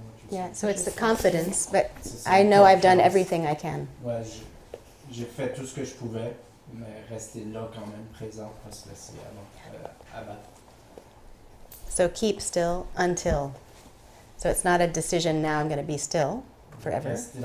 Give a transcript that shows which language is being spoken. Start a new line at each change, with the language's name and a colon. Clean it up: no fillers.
English: Yeah, so it's the confidence, but I know I've done everything I can.
French: Ouais, j'ai fait tout ce que je pouvais, mais rester là quand même, présent, pas se laisser abattre.
English: So keep still until. So it's not a decision, now I'm going to be still forever.